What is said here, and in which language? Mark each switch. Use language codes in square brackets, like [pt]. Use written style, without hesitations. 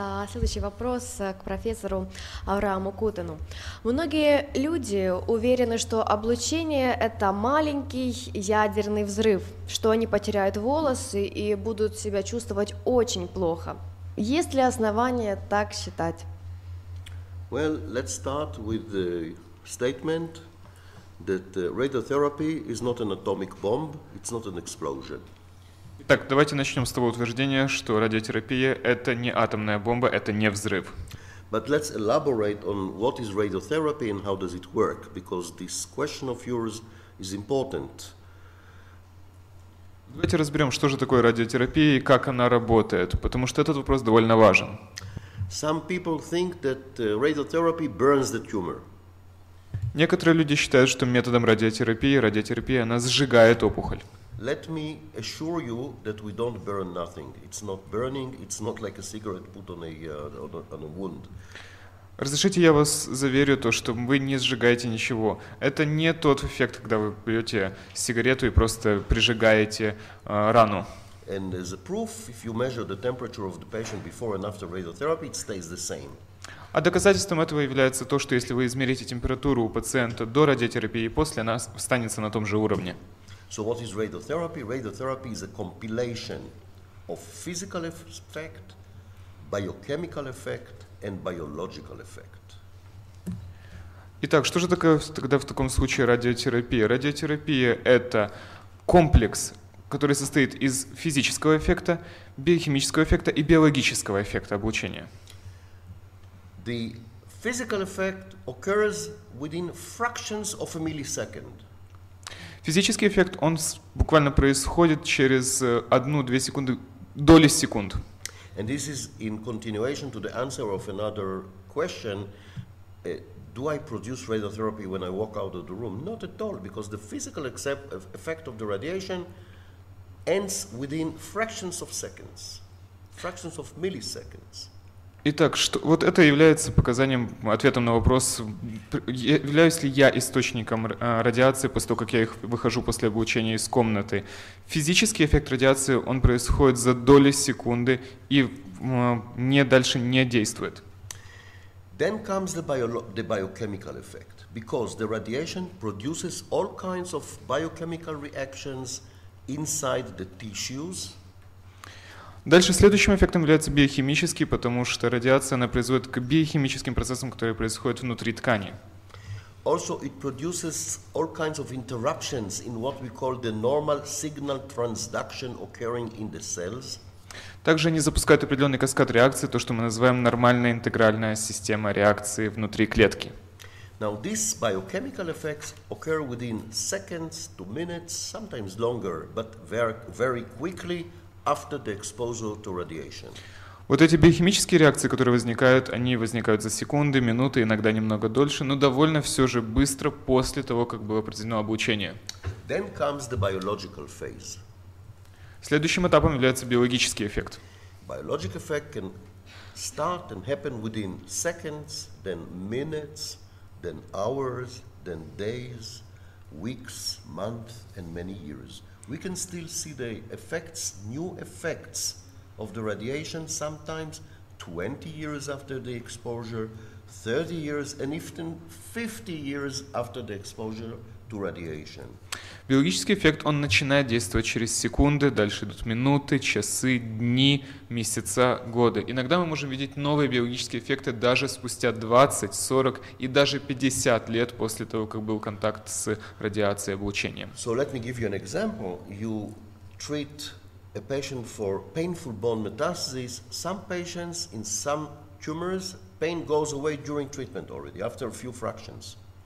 [ru] Следующий вопрос к профессору Аврааму Кутену. Многие люди уверены, что облучение – это маленький ядерный взрыв, что они потеряют волосы и будут себя чувствовать очень плохо. Есть ли основания так считать? [en] Well, let's start with the statement that radiotherapy is not an atomic bomb, it's not an explosion. [ru] Так, давайте начнем с того утверждения, что радиотерапия – это не атомная бомба, это не взрыв. [en] But let's elaborate on what is radiotherapy and how does it work, because this question of yours is important. [ru] Давайте разберем, что же такое радиотерапия и как она работает, потому что этот вопрос довольно важен. [en] Some people think that radiotherapy burns the tumor. [ru] Некоторые люди считают, что методом радиотерапии, радиотерапия, она сжигает опухоль. [en] Let me assure you that we don't burn nothing. It's not burning, it's not like a cigarette put on a wound. [ru] Разрешите я вас заверю то, что вы не сжигаете ничего. Это не тот эффект, когда вы берете сигарету и просто прижигаете рану. [en] And as a proof, if you measure the temperature of the patient before and after radiotherapy, it stays the same. [ru] А доказательством этого является то, что если вы измерите температуру у пациента до радиотерапии и после, она останется на том же уровне. [en] So what is radiotherapy? Radiotherapy is a compilation of physical effect, biochemical effect, and biological effect. [ru] Итак, что же такое тогда в таком случае радиотерапия? Радиотерапия — это комплекс, который состоит из физического эффекта, биохимического эффекта и биологического эффекта облучения. [en] The physical effect occurs within fractions of a millisecond. [ru] Физический эффект, он буквально происходит через 1-2 секунды, доли секунд. [en] And this is in continuation to the answer of another question. Do I produce radiotherapy when I walk out of the room? Not at all, because the physical effect of the radiation ends within fractions of seconds, fractions of milliseconds. [ru] Итак, что, вот это является показанием, ответом на вопрос, являюсь ли я источником радиации после того, как я их выхожу после облучения из комнаты. Физический эффект радиации, он происходит за доли секунды и не дальше не действует. [en] Then comes the biochemical effect, because the radiation produces all kinds of biochemical reactions inside the tissues. [ru] Дальше следующим эффектом является биохимический, потому что радиация, она производит к биохимическим процессам, которые происходят внутри ткани. [en] Also, it produces all kinds of interruptions in what we call the normal signal transduction occurring in the cells. [ru] Также они запускают определенный каскад реакций, то, что мы называем нормальная интегральная система реакции внутри клетки. [en] Now, these biochemical effects occur within seconds to minutes, sometimes longer, but very, very quickly. After the exposure to radiation. [ru] Вот эти биохимические реакции, которые возникают, они возникают за секунды, минуты, иногда немного дольше, но довольно все же быстро после того, как было проведено облучение. [en] Then comes the biological phase. [ru] Следующим этапом является биологический эффект. [en] Biological effect can start and happen within seconds, then minutes, then hours, then days, weeks, months, and many years. We can still see the effects, new effects of the radiation sometimes 20 years after the exposure, 30 years, and even 50 years after the exposure to radiation. [ru] Биологический эффект, он начинает действовать через секунды, дальше идут минуты, часы, дни, месяца, годы. Иногда мы можем видеть новые биологические эффекты даже спустя 20, 40 и даже 50 лет после того, как был контакт с радиацией, облучением. [en] So let me give you an example. You treat a patient for painful bone metastasis. Some patients in some tumors, pain goes away during treatment already, after a few fractions.